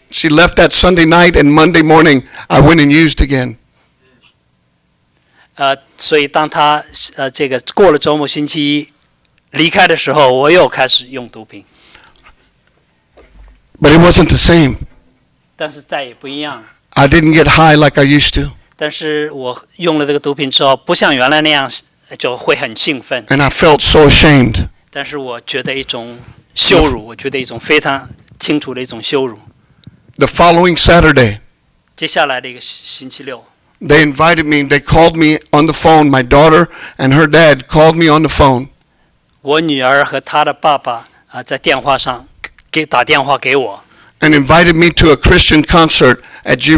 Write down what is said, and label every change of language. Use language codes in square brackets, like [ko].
[en] She left that Sunday night, and Monday morning, I went and used again. [zh] 所以当她过了周末星期一离开的时候,我又开始用毒品。 [en] But it wasn't the same. [zh] 但是再也不一样了。 [en] I didn't get high like I used to. [zh] 但是我用了这个毒品之后,不像原来那样。 [en] And I felt so ashamed. The following Saturday, they invited me, they called me on the phone. My daughter and her dad called me on the phone. [zh] 我女儿和她的爸爸, 在电话上打电话给我, [en] and invited me to a Christian concert at G.